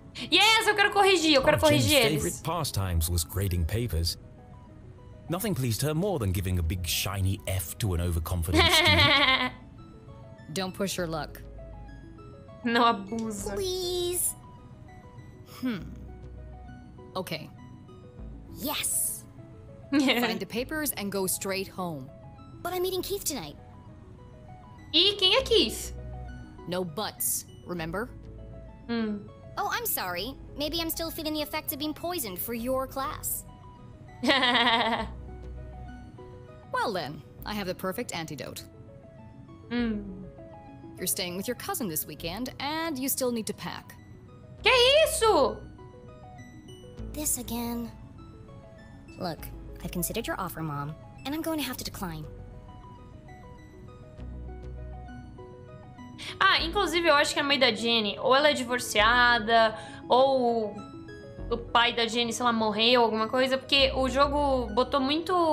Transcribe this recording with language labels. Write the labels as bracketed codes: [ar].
[pt] Yes, eu quero corrigir, eu quero corrigir eles. [en] Favorite pastimes was grading papers. Nothing pleased her more than giving a big shiny F to an overconfident student. Don't push your luck. [pt] Não abusa. [en] Please. Okay. Yes. Find the papers and go straight home. But I'm meeting Keith tonight. [pt] E quem é Keith? [en] No buts, remember? Oh, I'm sorry. Maybe I'm still feeling the effects of being poisoned for your class. Well then, I have the perfect antidote. You're staying with your cousin this weekend, and you still need to pack. [pt] Que isso? [en] This again. Look, I've considered your offer, Mom, and I'm going to have to decline. [pt] Ah, inclusive eu acho que a mãe da Jenny, ou ela é divorciada, ou o pai da Jenny, sei lá, morreu, alguma coisa, porque o jogo botou muito.